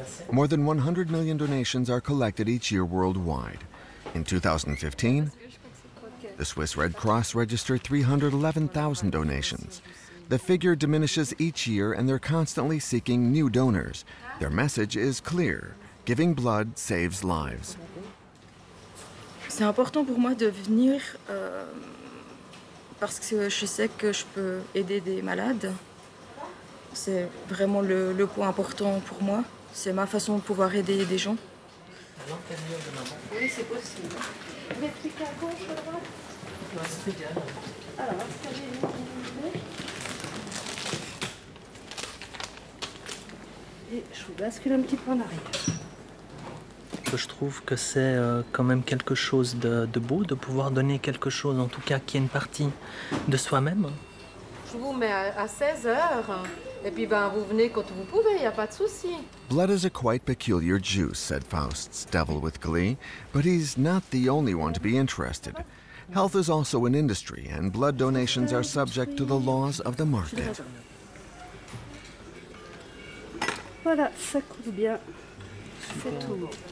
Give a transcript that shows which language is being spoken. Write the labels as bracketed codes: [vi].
[en] More than 100 million donations are collected each year worldwide. In 2015, the Swiss Red Cross registered 311,000 donations. The figure diminishes each year, and they're constantly seeking new donors. Their message is clear. Giving blood saves lives. [fr] C'est important pour moi de venir parce que je sais que je peux aider des malades. C'est vraiment le point important pour moi. C'est ma façon de pouvoir aider des gens. Oui, c'est possible. Mettez à gauche, à droite. Alors, ça j'ai. Et je vous bascule un petit peu en arrière. Je trouve que c'est quand même quelque chose de beau, de pouvoir donner quelque chose, en tout cas, qui est une partie de soi-même. Je vous mets à 16 heures, et puis ben, vous venez quand vous pouvez, il n'y a pas de souci. [en] Blood is a quite peculiar juice, said Faust's devil with glee, but he's not the only one to be interested. Health is also an industry, and blood donations are subject to the laws of the market. [fr] Voilà, ça coûte bien. C'est tout.